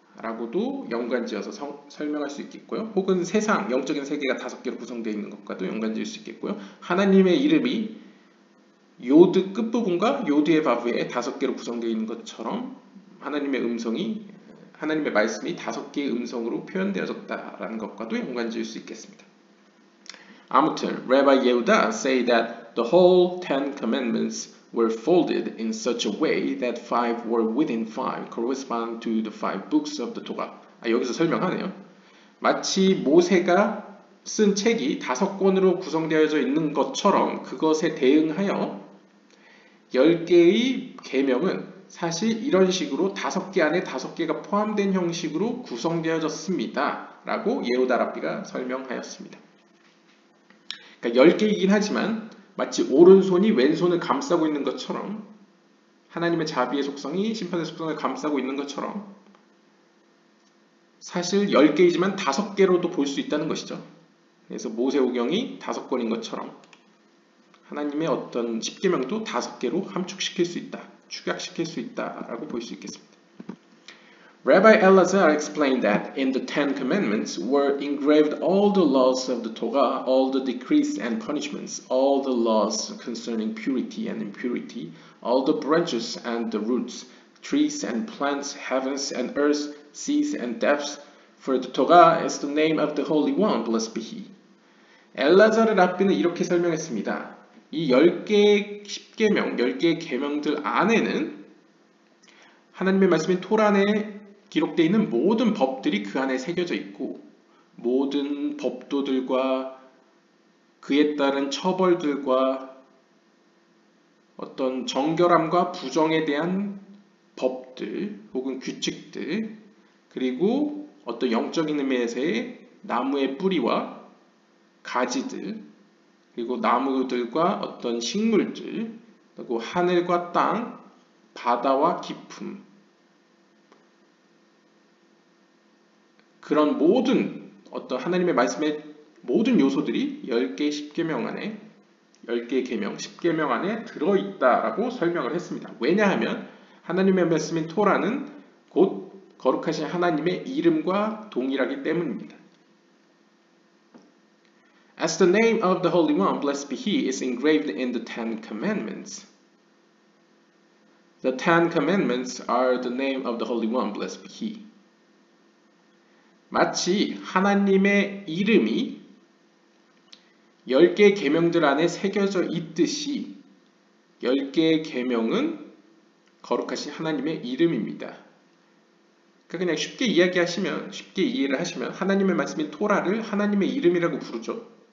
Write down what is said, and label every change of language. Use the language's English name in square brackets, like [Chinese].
[Korean] 라고도 연관지어서 설명할 수 있겠고요. 혹은 세상, 영적인 세계가 다섯 개로 구성되어 있는 것과도 연관지을 수 있겠고요. 하나님의 이름이 요드 끝부분과 요드의 바브에 다섯 개로 구성되어 있는 것처럼 하나님의 음성이, 하나님의 말씀이 다섯 개의 음성으로 표현되어졌다라는 것과도 연관지을 수 있겠습니다. 아무튼, [English] Rabbi Yehuda say that the whole Ten Commandments were folded in such a way that five were within five correspond to the five books of the Torah. [Korean] 아, 여기서 설명하네요. 마치 모세가 쓴 책이 다섯 권으로 구성되어져 있는 것처럼 그것에 대응하여 열 개의 계명은 사실 이런 식으로 다섯 개 안에 다섯 개가 포함된 형식으로 구성되어졌습니다. 라고 예후다 랍비가 설명하였습니다. 그러니까 열 개이긴 하지만 마치 오른손이 왼손을 감싸고 있는 것처럼 하나님의 자비의 속성이 심판의 속성을 감싸고 있는 것처럼 사실 10개이지만 5개로도 볼수 있다는 것이죠. 그래서 모세오경이 5권인 것처럼 하나님의 어떤 십계명도 5개로 함축시킬 수 있다, 축약시킬 수 있다 라고 볼 수 있겠습니다. [English] Rabbi Elazar explained that in the Ten Commandments were engraved all the laws of the Torah, all the decrees and punishments, all the laws concerning purity and impurity, all the branches and the roots, trees and plants, heavens and earth, seas and depths. For the Torah is the name of the Holy One, blessed be He. [Korean] Elazar의 랍비는 이렇게 설명했습니다. 이 10개의 십계명, 10개의 계명들 안에는 하나님의 말씀인 토란에 기록되어 있는 모든 법들이 그 안에 새겨져 있고 모든 법도들과 그에 따른 처벌들과 어떤 정결함과 부정에 대한 법들 혹은 규칙들 그리고 어떤 영적인 의미에서의 나무의 뿌리와 가지들 그리고 나무들과 어떤 식물들 그리고 하늘과 땅, 바다와 깊음 그런 모든 어떤 하나님의 말씀의 모든 요소들이 10개의 십계명 안에 10개의 계명, 십계명 안에 들어있다라고 설명을 했습니다. 왜냐하면 하나님의 말씀인 토라는 곧 거룩하신 하나님의 이름과 동일하기 때문입니다. [English] As the name of the Holy One, blessed be He, is engraved in the Ten Commandments. The Ten Commandments are the name of the Holy One, blessed be He. [Korean] 마치 하나님의 이름이 10개의 계명들 안에 새겨져 있듯이 10개의 계명은 거룩하신 하나님의 이름입니다. 그러니까 그냥 쉽게 이야기하시면 쉽게 이해를 하시면 하나님의 말씀인 토라를 하나님의 이름이라고 부르죠.